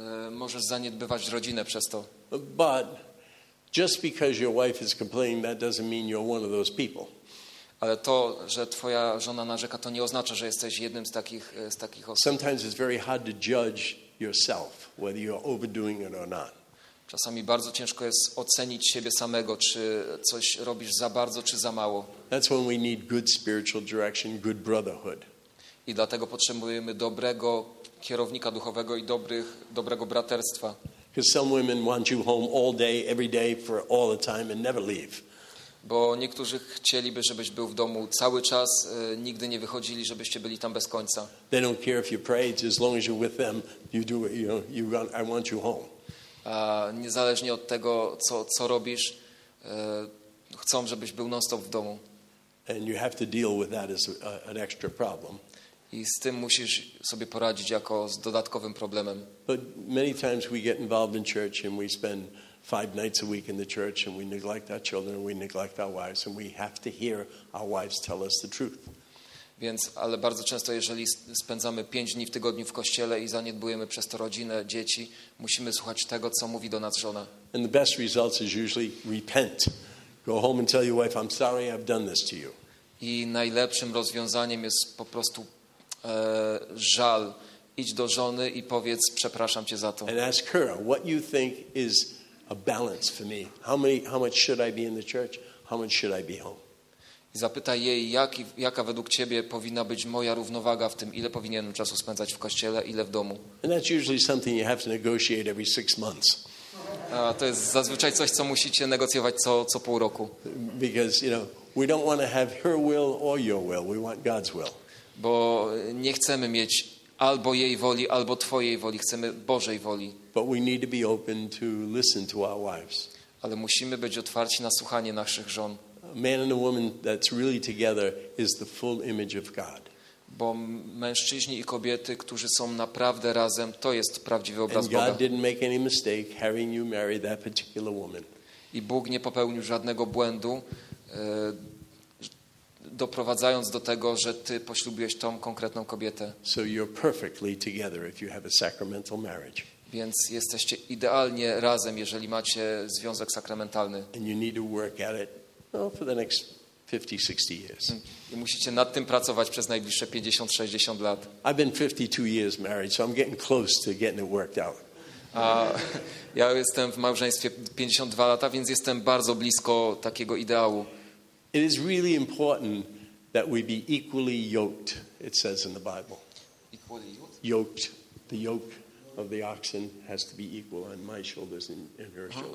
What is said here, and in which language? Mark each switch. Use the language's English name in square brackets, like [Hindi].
[Polish] Możesz zaniedbywać rodzinę przez to. [English] But just because your wife is complaining, that doesn't mean you're one of those people. [Polish] Ale to, że twoja żona narzeka, to nie oznacza, że jesteś jednym z takich osób. [English] Sometimes it's very hard to judge yourself whether you're overdoing it or not. [Polish] Czasami bardzo ciężko jest ocenić siebie samego, czy coś robisz za bardzo, czy za mało. [English] That's when we need good spiritual direction, good brotherhood. [Polish] I dlatego potrzebujemy dobrego kierownika duchowego i dobrego braterstwa. [English] Because some women want you home all day, every day, for all the time, and never leave. [Polish] Bo niektórzy chcieliby, żebyś był w domu cały czas, nigdy nie wychodzili, żebyście byli tam bez końca. [English] They don't care if you pray, as long as you're with them, you do it. I want you home. [Polish] Niezależnie od tego, co robisz, chcą, żebyś był non-stop w domu. [English] And you have to deal with that as an extra problem. [Polish] I z tym musisz sobie poradzić jako z dodatkowym problemem. [English] But many times we get involved in church and we spend 5 nights a week in the church and we neglect our children and we neglect our wives and we have to hear our wives tell us the truth. [Polish] Więc, ale bardzo często, jeżeli spędzamy 5 dni w tygodniu w kościele i zaniedbujemy przez to rodzinę, dzieci, musimy słuchać tego, co mówi do nas żona. [English] And the best result is usually repent. Go home and tell your wife, I'm sorry, I've done this to you. [Polish] I najlepszym rozwiązaniem jest po prostu żal. Idź do żony i powiedz, przepraszam cię za to. [English] And ask her, what you think is a balance for me? How much should I be in the church? How much should I be home? [Polish] Zapytaj jej, jaka według ciebie powinna być moja równowaga w tym, ile powinienem czasu spędzać w kościele, ile w domu. [English] And that's usually something you have to negotiate every 6 months. [Polish] A to jest zazwyczaj coś, co musicie negocjować co pół roku. [English] Because, you know, we don't want to have her will or your will. We want God's will. [Polish] Bo nie chcemy mieć albo jej woli, albo twojej woli. Chcemy Bożej woli. [English] But we need to be open to listen to our wives. [Polish] Ale musimy być otwarci na słuchanie naszych żon. [English] A man and a woman that's really together is the full image of God. [Polish] Bo mężczyźni i kobiety, którzy są naprawdę razem, to jest prawdziwy obraz Boga. [English] God didn't make any mistake having you marry that particular woman. [Polish] I Bóg nie popełnił żadnego błędu, doprowadzając do tego, że ty poślubiłeś tą konkretną kobietę. [English] So you're perfectly together if you have a sacramental marriage. [Polish] Więc jesteście idealnie razem, jeżeli macie związek sakramentalny. [English] And you need to work at it for the next 50-60 years. [Polish] I musicie nad tym pracować przez najbliższe 50-60 lat. [English] I've been 52 years married, so I'm getting close to getting it worked out. [Polish] A ja jestem w małżeństwie 52 lata, więc jestem bardzo blisko takiego ideału. [English] It is really important that we be equally yoked it says in the Bible. Yoked. The yoke of the oxen has to be equal on my shoulders and her shoulders.